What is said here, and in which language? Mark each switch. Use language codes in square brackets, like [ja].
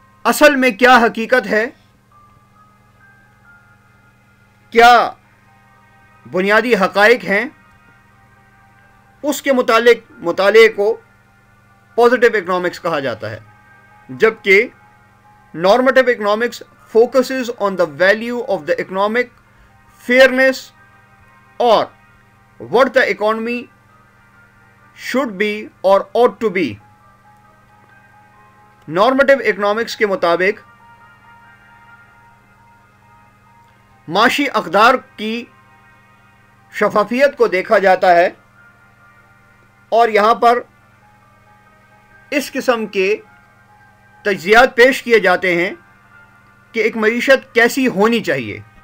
[ur] اصل میں کیا حقیقت ہے, کیا بنیادی حقائق ہیں, اس کے متعلق مطالعے کو پازیٹیو اکنامکس کہا جاتا ہے. [en] جبکہ normative economics focuses on the value of the economic fairness اور what the economy should be or ought to be. [ur] نارمیٹیو اکنامکس کے مطابق معاشی اقدار کی شفافیت کو دیکھا جاتا ہے, اور یہاں پر اس قسم کے تجزیات پیش کیے جاتے ہیں کہ ایک معیشت کیسی ہونی چاہیے.